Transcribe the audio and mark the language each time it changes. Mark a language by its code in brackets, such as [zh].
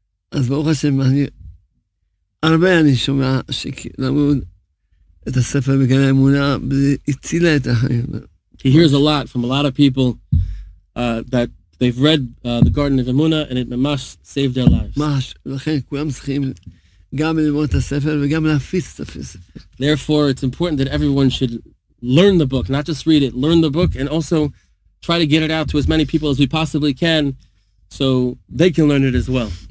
[he] אז ברוך השם, הרבה אני שומע שלמוד את הספר בגלל האמונה, הצילה את החיים. [en] He hears a lot from a lot of people that they've read the Garden of Emuna and it ממש saved their lives. [he] ממש, לכן כולם צריכים גם ללמוד את הספר וגם להפיץ את הספר. [en] Therefore, it's important that everyone should learn the book, not just read it, learn the book and also try to get it out to as many people as we possibly can so they can learn it as well.